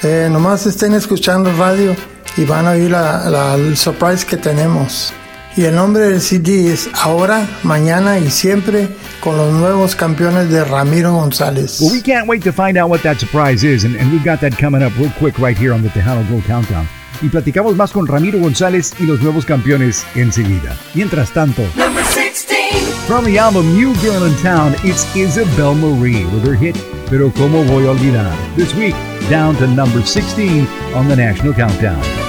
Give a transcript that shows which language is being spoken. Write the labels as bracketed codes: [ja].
[es] Nomás estén escuchando radio y van a oír el surprise que tenemos. Y el nombre del CD es Ahora, Mañana y Siempre con los nuevos campeones de Ramiro González. [en] Well, we can't wait to find out what that surprise is, and we've got that coming up real quick right here on the Tejano Gold Countdown. [es] Y platicamos más con Ramiro González y los nuevos campeones enseguida. Mientras tanto, [en] number 16. From the album New Girl in Town, it's Isabel Marie with her hit Pero Cómo Voy a Olvidar. This week, down to number 16 on the National Countdown.